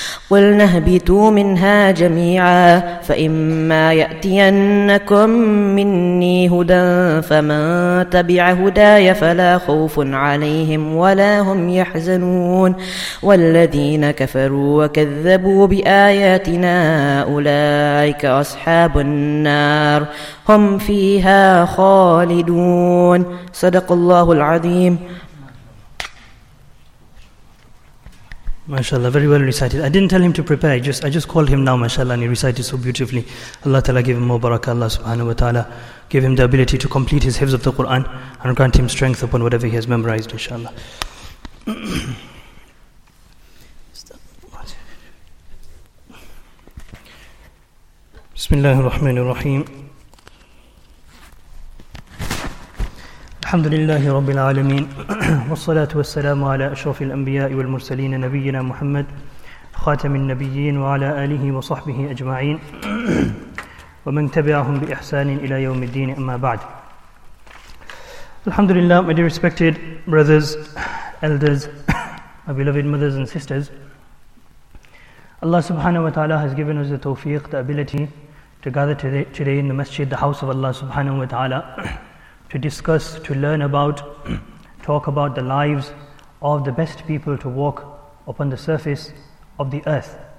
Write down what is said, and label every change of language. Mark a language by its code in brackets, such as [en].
[ar] قلنا اهبطوا منها جميعا فإما يأتينكم مني هدى فمن تبع هداي فلا خوف عليهم ولا هم يحزنون والذين كفروا وكذبوا بآياتنا أولئك أصحاب النار هم فيها خالدون صدق الله العظيم. [en] MashaAllah, very well recited. I didn't tell him to prepare. I just called him now, MashaAllah, and he recited so beautifully. Allah Ta'ala give him more barakah, Allah Subhanahu Wa Ta'ala. Give him the ability to complete his hifz of the Qur'an and grant him strength upon whatever he has memorized, inshaAllah. [ar] Bismillah ar-Rahman ar-Rahim. الحمد لله رب العالمين والصلاة والسلام على أشرف الأنبياء والمرسلين نبينا محمد خاتم النبيين وعلى آله وصحبه أجمعين ومن تبعهم بإحسان إلى يوم الدين أما بعد. الحمد لله. [en] My dear respected brothers, elders, my beloved mothers and sisters, Allah subhanahu wa ta'ala has given us the tawfiq, the ability to gather today in the masjid, the house of Allah subhanahu wa ta'ala, to discuss, to learn about, talk about the lives of the best people to walk upon the surface of the earth.